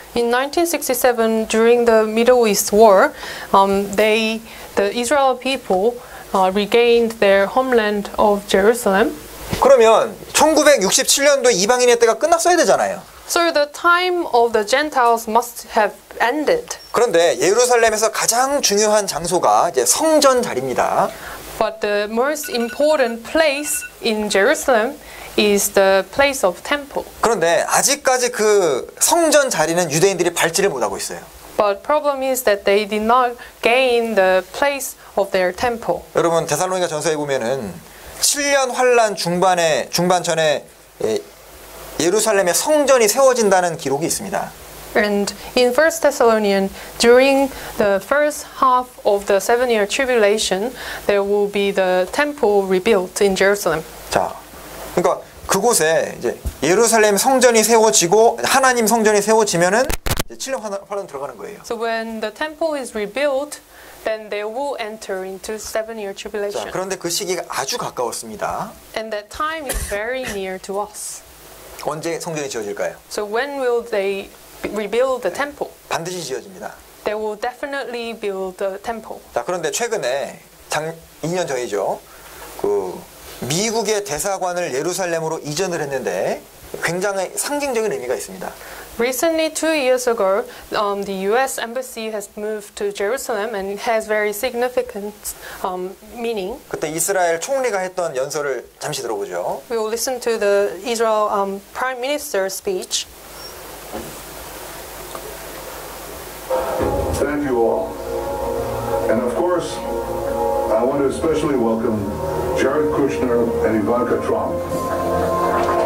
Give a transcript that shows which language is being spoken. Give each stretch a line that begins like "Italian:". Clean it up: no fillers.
English: In 1967 during the Middle East War, the Israel people regained their homeland of Jerusalem.
Korean: 그러면 1967년도에 이방인의 때가 끝났어야 되잖아요.
English: So the time of the Gentiles must have ended.
Korean: 그런데 예루살렘에서 가장 중요한 장소가 이제 성전 자리입니다.
English: But the most important place in Jerusalem is the place of temple.
Korean: 그런데 아직까지 그 성전 자리는 유대인들이 밟지를 못하고 있어요.
English: But problem is that they did not gain the place of their temple.
Korean: 여러분, 데살로니가 전서에 보면은 7년 환란 중반 전에 예루살렘에 성전이 세워진다는 기록이 있습니다.
English: And in 1 Thessalonians, during the first half of the seven-year tribulation, there will be the temple rebuilt in Jerusalem.
Korean: 자, 그러니까 그곳에 이제 예루살렘 성전이 세워지고 하나님 성전이 세워지면은 이제 7년 환란 들어가는 거예요.
English: So when the temple is rebuilt, then they will enter into seven-year tribulation.
Korean: 자, 그런데 그 시기가 아주 가까웠습니다.
English: And that time is very near to us.
Korean: 언제 성전이 지어질까요?
English: So when will they rebuild the temple? 네,
Korean: 반드시 지어집니다.
English: They will definitely build the temple.
Korean: 자, 그런데 최근에 2년 전이죠. 그 미국의 대사관을 예루살렘으로 이전을 했는데 굉장히 상징적인 의미가 있습니다.
English: Recently, 2 years ago, the U.S. embassy has moved to Jerusalem and has very significant meaning.
Korean: 그때 이스라엘 총리가 했던 연설을 잠시 들어보죠.
English: We will listen to the Israel Prime Minister's speech. Thank you all. And of course, I want to especially welcome Jared Kushner and Ivanka Trump.